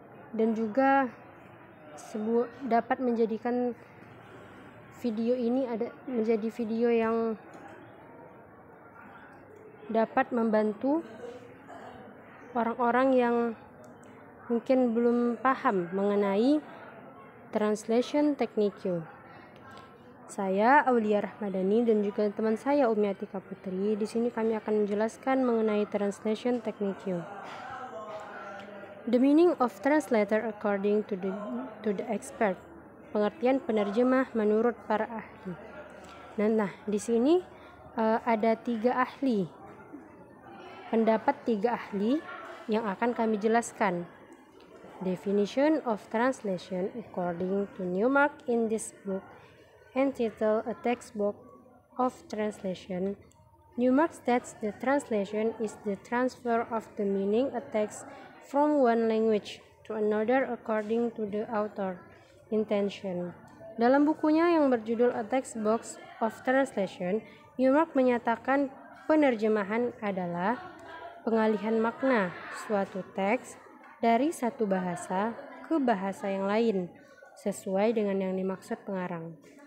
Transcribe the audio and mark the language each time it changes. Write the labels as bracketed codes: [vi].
[id] dan juga dapat menjadikan video ini menjadi video yang dapat membantu orang-orang yang mungkin belum paham mengenai translation technique. Saya Aulia Rahmadani dan juga teman saya Umi Atika Putri. Di sini kami akan menjelaskan mengenai translation technique. [en] The meaning of translator according to the expert. [id] Pengertian penerjemah menurut para ahli. Nah, di sini ada tiga ahli. Pendapat tiga ahli yang akan kami jelaskan. [en] Definition of translation according to Newmark in this book. Entitled A Textbook of Translation, Newmark states the translation is the transfer of the meaning of a text from one language to another according to the author's intention. [id] Dalam bukunya yang berjudul A Textbook of Translation, Newmark menyatakan penerjemahan adalah pengalihan makna suatu teks dari satu bahasa ke bahasa yang lain sesuai dengan yang dimaksud pengarang.